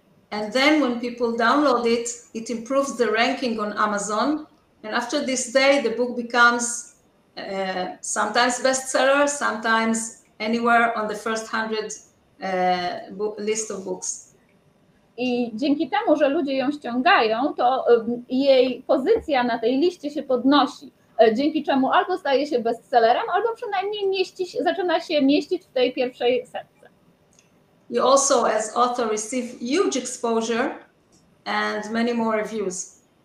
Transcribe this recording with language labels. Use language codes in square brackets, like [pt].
[en] And then when people download it, it improves the ranking on Amazon, and after this day the book becomes sometimes bestseller, sometimes anywhere on the first 100 list of books. [pl] I dzięki temu, że ludzie ją ściągają, to jej pozycja na tej liście się podnosi. Dzięki czemu albo staje się bestsellerem, albo przynajmniej zaczyna się mieścić w tej pierwszej setce. [en] You also, as author, receive huge exposure and many more reviews.